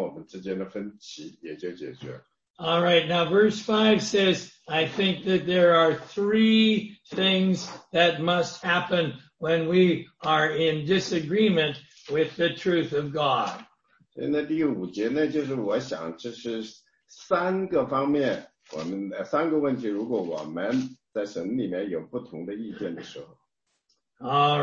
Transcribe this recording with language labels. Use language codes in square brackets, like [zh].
[zh] 所以神呢，给我们解决的方式就是我们先解决我们内在的，然后外面就自然解决了，然后我们之间的分歧也就解决了。All [en] right, now verse 5 says, I think that there are three things that must happen when we are in disagreement with the truth of God. [zh] 那第五节呢，就是我想这是三个方面，我们三个问题。如果我们在神里面有不同的意见的时候。All